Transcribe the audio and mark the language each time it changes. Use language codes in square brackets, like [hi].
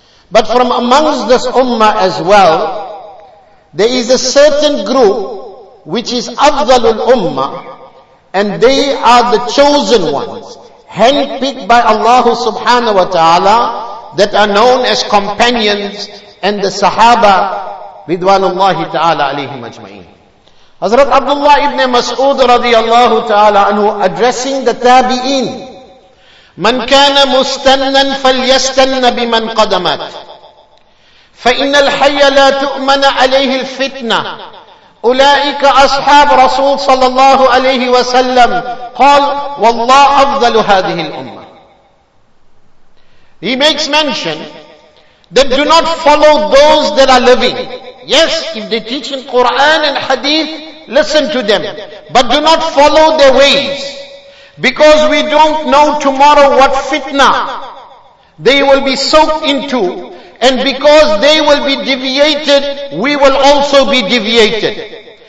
[en] But from amongst this ummah as well, there is a certain group which is afdalul ummah, and they are the chosen ones, handpicked by Allah subhanahu wa ta'ala, that are known as companions and the sahaba ridwanullahi ta'ala alayhim ajma'in. Hazrat Abdullah ibn Mas'ud radiyallahu ta'ala anhu, addressing the tabi'een: [ar] من كان مستنا فليستن بمن قدمت فإن الحي لا تؤمن عليه الفتنة أولئك أصحاب رسول صلى الله عليه وسلم قال والله أفضل هذه الأمة. [en] He makes mention that do not follow those that are living. Yes, if they teach in Quran and Hadith, listen to them, but do not follow their ways. Because we don't know tomorrow what fitna they will be soaked into, and because they will be deviated, we will also be deviated.